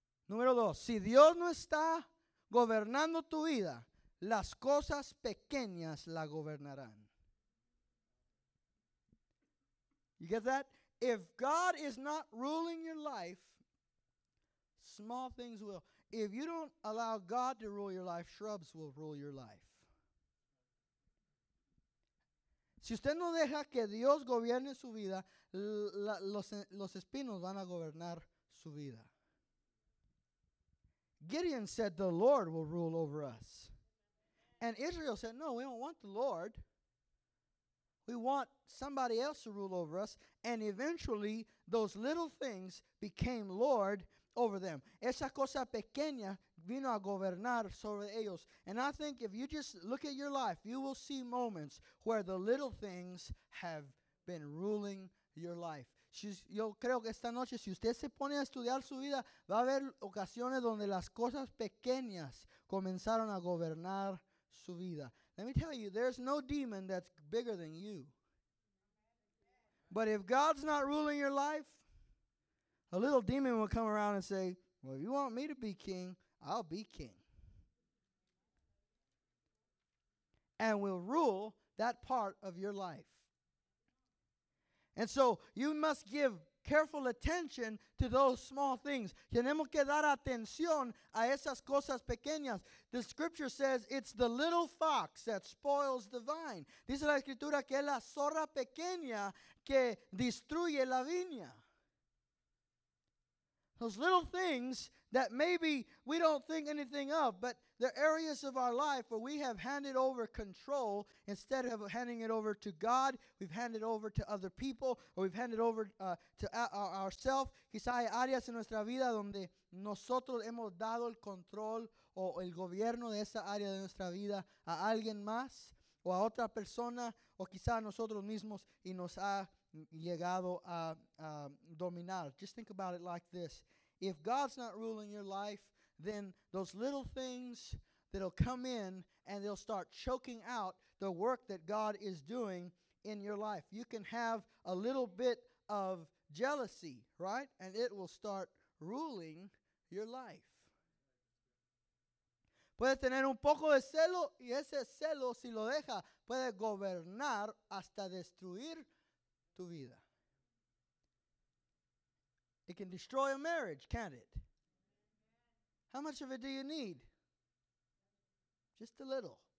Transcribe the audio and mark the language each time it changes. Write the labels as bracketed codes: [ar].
[es] Número dos, si Dios no está gobernando tu vida, las cosas pequeñas la gobernarán. [en] You get that? If God is not ruling your life, small things will. If you don't allow God to rule your life, shrubs will rule your life. [es] Si usted no deja que Dios gobierne su vida, los espinos van a gobernar su vida. [en] Gideon said, the Lord will rule over us. And Israel said, no, we don't want the Lord. We want somebody else to rule over us. And eventually, those little things became Lord over them. [es] Esa cosa pequeña vino a gobernar sobre ellos. [en] And I think if you just look at your life, you will see moments where the little things have been ruling your life. [es] Yo creo que esta noche, si usted se pone a estudiar su vida, va a haber ocasiones donde las cosas pequeñas comenzaron a gobernar su vida. [en] Let me tell you, there's no demon that's bigger than you. But if God's not ruling your life, a little demon will come around and say, well, if you want me to be king, I'll be king. And will rule that part of your life. And so you must give careful attention to those small things. [es] Tenemos que dar atención a esas cosas pequeñas. [en] The scripture says it's the little fox that spoils the vine. [es] Dice la escritura que es la zorra pequeña que destruye la viña. [en] Those little things that maybe we don't think anything of, but they're areas of our life where we have handed over control instead of handing it over to God. We've handed over to other people, or we've handed over to ourselves. [es] Quizá hay áreas en nuestra vida donde nosotros hemos dado el control o el gobierno de esa área de nuestra vida a alguien más o a otra persona, o quizá a nosotros mismos y nos ha llegado a dominar. [en] Just think about it like this. If God's not ruling your life, then those little things that'll come in and they'll start choking out the work that God is doing in your life. You can have a little bit of jealousy, right? And it will start ruling your life. [es] Puede tener un poco de celo, y ese celo, si lo deja, puede gobernar hasta destruir tu vida. [en] It can destroy a marriage, can't it? How much of it do you need? Just a little.